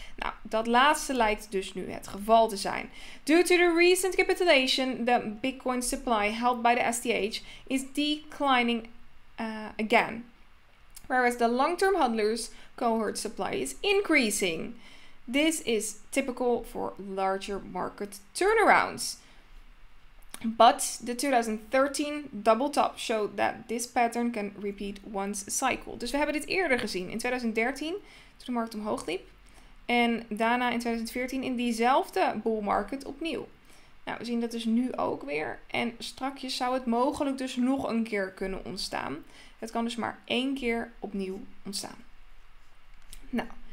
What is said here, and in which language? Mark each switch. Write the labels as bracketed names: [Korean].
[Dutch] Nou, dat laatste lijkt dus nu het geval te zijn. [English] Due to the recent capitulation, the Bitcoin supply held by the STH is declining again. Whereas the long-term hodlers cohort supply is increasing. This is typical for larger market turnarounds. But the 2013 double top showed that this pattern can repeat once a cycle. [Dutch] Dus we hebben dit eerder gezien in 2013, toen de markt omhoog liep. En daarna in 2014 in diezelfde bull market opnieuw. Nou, we zien dat dus nu ook weer. En strakjes zou het mogelijk dus nog een keer kunnen ontstaan. Het kan dus maar één keer opnieuw ontstaan. Nou.